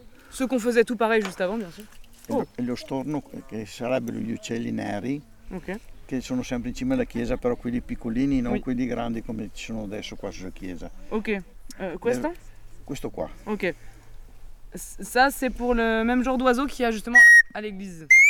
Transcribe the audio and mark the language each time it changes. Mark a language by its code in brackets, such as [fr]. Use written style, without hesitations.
[fr] Ce qu'on faisait tout pareil juste avant, bien sûr. [it] E lo storno, che sarebbero gli uccelli neri, che sono sempre in cima alla chiesa, però quelli piccolini, non quelli grandi come ci sono adesso qua sulla chiesa. Ok, questo? Questo qua. Ok. [fr] Ça, c'est pour le même genre d'oiseau qu'il y a justement à l'église.